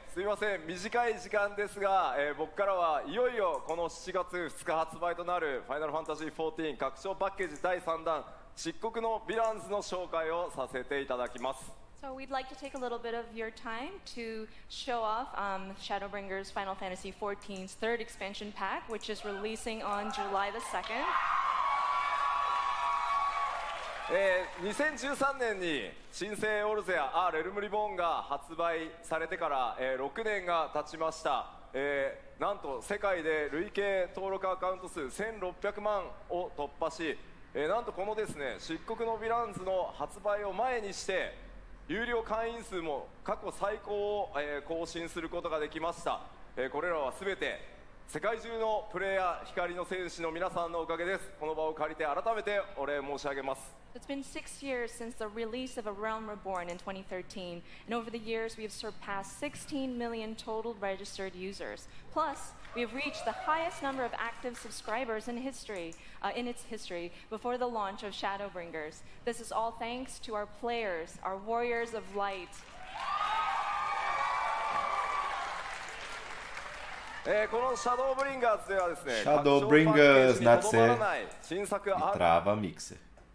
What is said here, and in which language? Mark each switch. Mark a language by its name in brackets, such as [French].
[Japanese] すいません、短い時間ですが、僕からはいよいよこの7月2日発売となるファイナルファンタジー14拡張パッケージ第3弾漆黒のヴィランズの紹介をさせていただきます。 [English] So we'd like to take a little bit of your time to show off Shadowbringers Final Fantasy XIV's third expansion pack, which is releasing on July the 2nd. [Japanese] 2013年に新生オルゼア、ア・レルムリボーンが発売されてから、6年が経ちました。なんと世界で累計登録アカウント数1600万を突破し、なんとこのですね、漆黒のヴィランズの発売を前にして有料会員数も過去最高を、更新することができました、これらは全て世界中のプレイヤー光の戦士の皆さんのおかげです。この場を借りて改めてお礼申し上げます。 [English] It's been 6 years since the release of A Realm Reborn in 2013, and over the years we have surpassed 16 million total registered users. Plus, we have reached the highest number of active subscribers in history, in its history, before the launch of Shadowbringers. This is all thanks to our players, our Warriors of Light. [Japanese] このシャドウブリンガーズではですね、シャドウブリンガーズ、懐かしい。新作アーティストミックス。